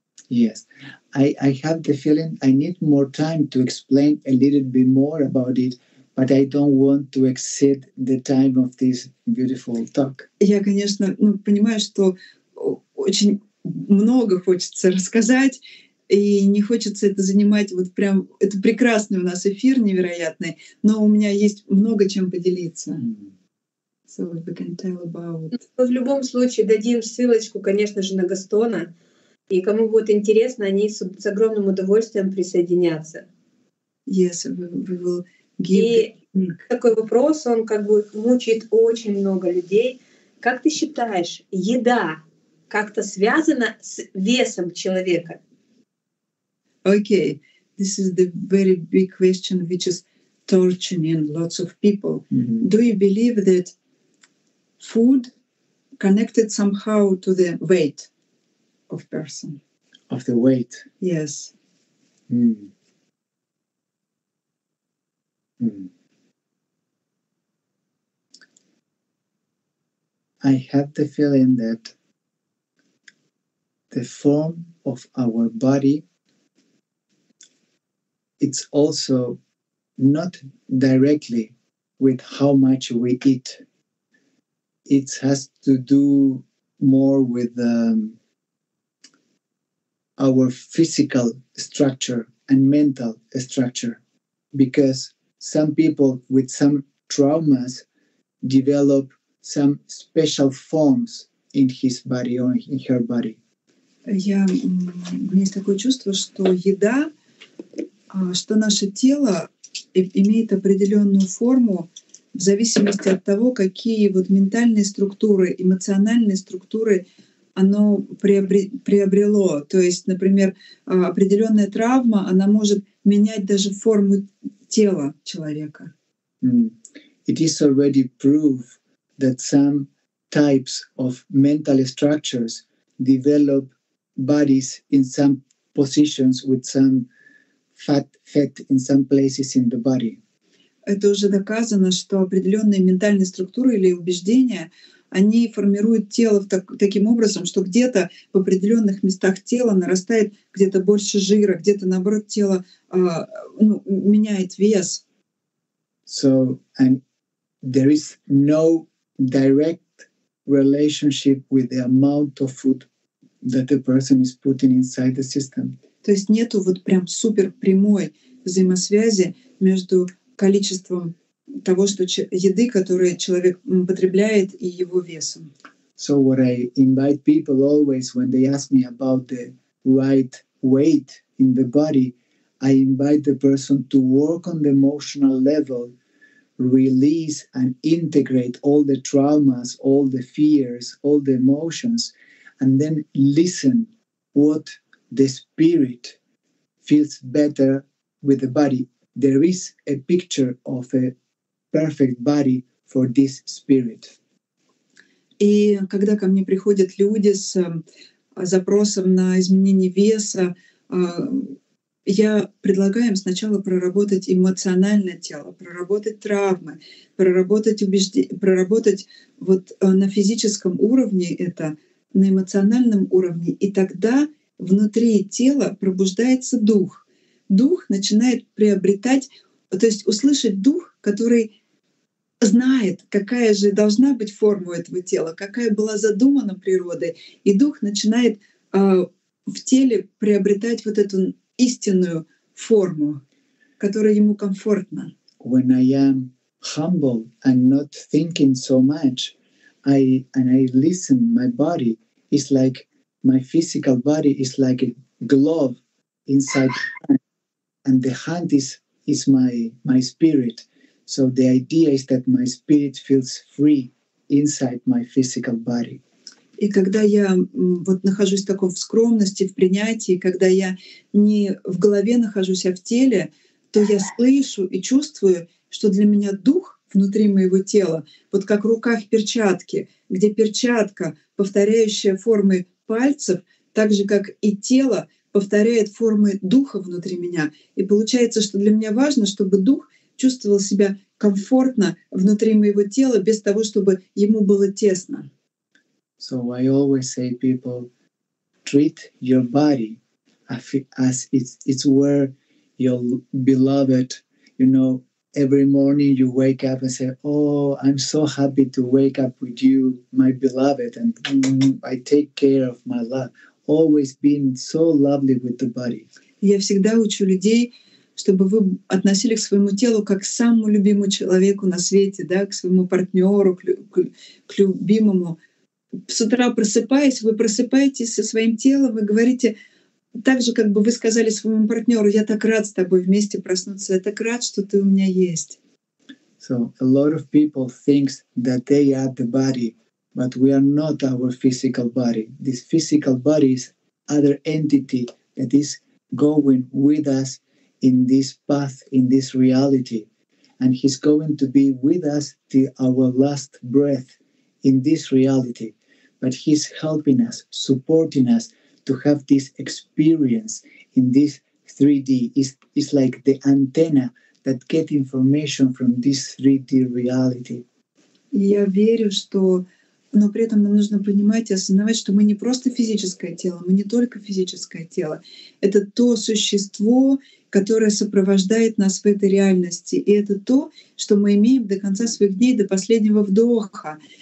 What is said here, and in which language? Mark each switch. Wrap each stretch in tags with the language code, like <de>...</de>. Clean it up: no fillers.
<en>Yes, I have the feeling I need more time to explain a little bit more about it, but I don't want to exceed the time of this beautiful talk.</en> <ru>Я, конечно, понимаю, что очень много хочется рассказать, и не хочется это занимать вот прям... Это прекрасный у нас эфир, невероятный, но у меня есть много чем поделиться.</ru> <en>So what we can tell about...</en> <ru>Но в любом случае дадим ссылочку, конечно же, на Гастона, и кому будет интересно, они с огромным удовольствием присоединятся.</ru> <en>Yes, we will...</en> <ru>И такой вопрос, он как бы мучает очень много людей. Как ты считаешь, еда как-то связана с весом человека?</ru> <en>Okay, this is the very big question, which is torturing lots of people. Mm-hmm. Do you believe that food connected somehow to the weight of person? Of the weight? Yes. Mm. I have the feeling that the form of our body, it's also not directly with how much we eat. It has to do more with our physical structure and mental structure, because some people with some traumas develop some special forms in his body or in her body.</en> <ru>Я, у меня есть такое чувство, что еда, что наше тело имеет определенную форму в зависимости от того, какие вот ментальные структуры, эмоциональные структуры оно приобрело. То есть, например, определенная травма, она может менять даже форму тела человека. Mm.</ru> <en>It is already proof that some types of mental structures develop bodies in some positions with some fat in some places in the body.</en> <ru>Это уже доказано, что определенные ментальные структуры или убеждения, они формируют тело таким образом, что где-то в определенных местах тела нарастает где-то больше жира, где-то наоборот тело меняет вес.</ru> <en>So, and there is no direct relationship with the amount of food that the person is putting inside the system.</en> <ru>То есть нету вот прям супер прямой взаимосвязи между количеством того, что еды, которую человек потребляет, и его весом.</ru> <en>So what I invite people always when they ask me about the right weight in the body, I invite the person to work on the emotional level, release and integrate all the traumas, all the fears, all the emotions, and then listen what the spirit feels better with the body. There is a picture of a perfect body for this spirit.</en> <ru>И когда ко мне приходят люди с запросом на изменение веса, я предлагаю им сначала проработать эмоциональное тело, проработать травмы, проработать вот на физическом уровне это, на эмоциональном уровне, и тогда внутри тела пробуждается дух. Дух начинает приобретать, то есть услышать дух, который знает, какая же должна быть форма этого тела, какая была задумана природой. И дух начинает в теле приобретать вот эту истинную форму, которая ему комфортна.</ru> <en>When I am humble and not thinking so much, I listen, my body is like, my physical body is like a glove inside my hand. And the hand is my spirit. So the idea is that my spirit feels free inside my physical body.</en> <ru>И когда я вот нахожусь такой в скромности, в принятии, когда я не в голове нахожусь, а в теле, то я слышу и чувствую, что для меня дух внутри моего тела, вот как рука в перчатке, где перчатка, повторяющая формы пальцев, так же, как и тело, повторяет формы духа внутри меня. И получается, что для меня важно, чтобы дух чувствовал себя комфортно внутри моего тела, без того, чтобы ему было тесно.</ru> <en>So I always say people, treat your body as it's where your beloved, you know, every morning you wake up and say, oh, I'm so happy to wake up with you, my beloved, and I take care of my love. Always been so lovely with the body.</en> <ru>Я всегда учу людей, чтобы вы относились к своему телу как к самому любимому человеку на свете, да, к своему партнеру, к любимому. С утра просыпаясь, вы просыпаетесь со своим телом и говорите так же, как бы вы сказали своему партнеру: «Я так рад с тобой вместе проснуться, я так рад, что ты у меня есть».</ru> <en>So a lot of people think that they are the body. But we are not our physical body. This physical body is other entity that is going with us in this path, in this reality. And he's going to be with us till our last breath in this reality. But he's helping us, supporting us to have this experience in this 3D. It's like the antenna that gets information from this 3D reality.</en> <ru>Я верю, что... Но при этом нам нужно понимать и осознавать, что мы не просто физическое тело, мы не только физическое тело. Это то существо, которое сопровождает нас в этой реальности. И это то, что мы имеем до конца своих дней, до последнего вдоха.</ru>